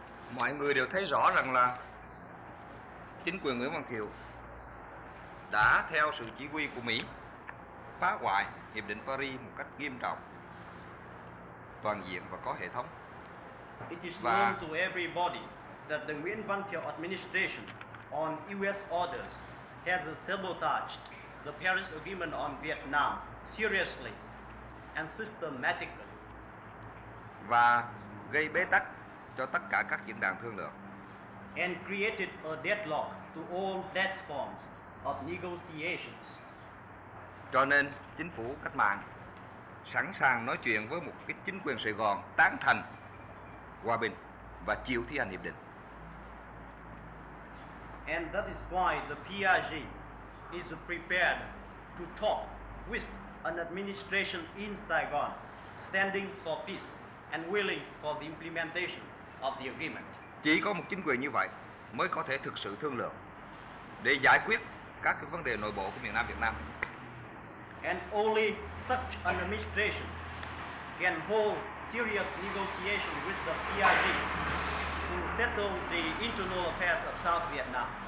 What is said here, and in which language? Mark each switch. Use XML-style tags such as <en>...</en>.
<vi>Mọi người đều thấy rõ rằng là chính quyền Nguyễn Văn Thiệu đã theo sự chỉ huy của Mỹ phá hoại Hiệp định Paris một cách nghiêm trọng, toàn diện và có hệ thống.</vi> <en>It is known to everybody that the Nguyễn Văn Thiệu administration on US orders has sabotaged the Paris Agreement on Vietnam seriously and systematically.</en> <vi>Và gây bế tắc cho tất cả các diễn đàn thương lượng.</vi> <en>And created a deadlock to all platforms of negotiations.</en> <vi>Cho nên chính phủ cách mạng sẵn sàng nói chuyện với một cái chính quyền Sài Gòn tán thành hòa bình và chịu thi hành hiệp định.</vi> <en>And that is why the PRG is prepared to talk with an administration in Saigon standing for peace, and willing for the implementation of the agreement.</en> <vi>Chỉ có một chính quyền như vậy mới có thể thực sự thương lượng để giải quyết các cái vấn đề nội bộ của miền Nam Việt Nam.</vi> <en>And only such an administration can hold serious negotiation with the PRG to settle the internal affairs of South Vietnam.</en>